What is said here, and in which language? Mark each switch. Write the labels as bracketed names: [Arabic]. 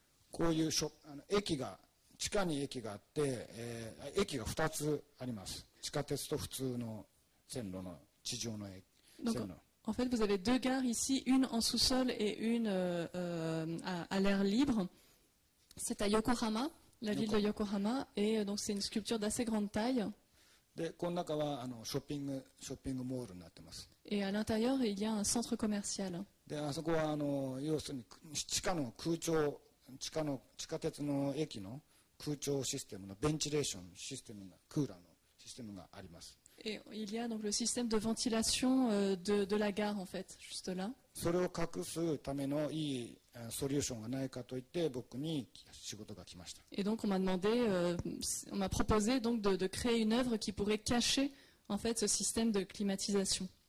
[Japanese] で、これが横浜というところにある非常に大きな彫刻なんですけども、これは建築を設計した次の写真でわかるかな。こういう駅が 地下に駅があって、駅が2つあります。地下鉄と普通の線路の地上の線路。 [French] En fait, vous avez deux gares ici, une en sous-sol et une à l'air libre. C'est à Yokohama, la ville de Yokohama, et donc c'est une sculpture d'assez grande taille. [Japanese] で、この中はあのショッピングモールになってます。 [French] Et à l'intérieur, il y a un centre commercial. [Japanese] で、あそこはあの要するに地下の空調、地下の地下鉄の駅の 空調システムのベンチレーションシステムが、クーラーのシステムがあります。 [French] Et il y a donc le système de ventilation de la gare en fait, juste là. [Japanese] それを隠すためのいいソリューションがないかと言って僕に仕事が来ました。 [French] Et donc on m'a demandé on m'a proposé donc de créer une œuvre qui pourrait cacher en fait ce système de climatisation.